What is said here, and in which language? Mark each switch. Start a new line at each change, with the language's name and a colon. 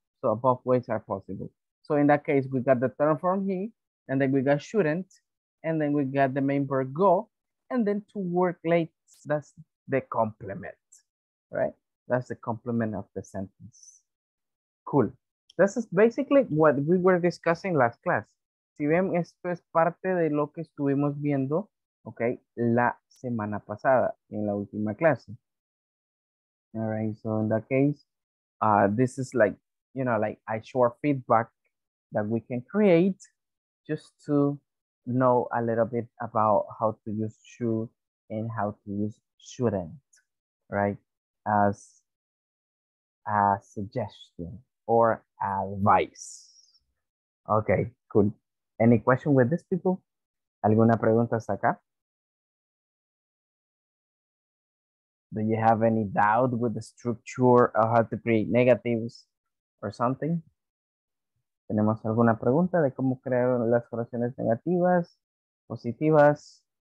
English: So both ways are possible. So in that case, we got the term from he, and then we got shouldn't, and then we got the main verb go, and then to work late, that's the complement, right? That's the complement of the sentence. Cool. This is basically what we were discussing last class.
Spanish: Si ven, esto es parte de lo que estuvimos viendo, okay, la semana pasada, en la última clase.
English: All right, so in that case, this is like, you know, like a short feedback that we can create just to know a little bit about how to use should and how to use shouldn't, right, as a suggestion or advice. Okay, cool. Any question with this, people?
Spanish: ¿Alguna pregunta hasta acá?
English: Do you have any doubt with the structure of how to create negatives or something?
Spanish: ¿Tenemos alguna pregunta de cómo crear las oraciones negativas, positivas?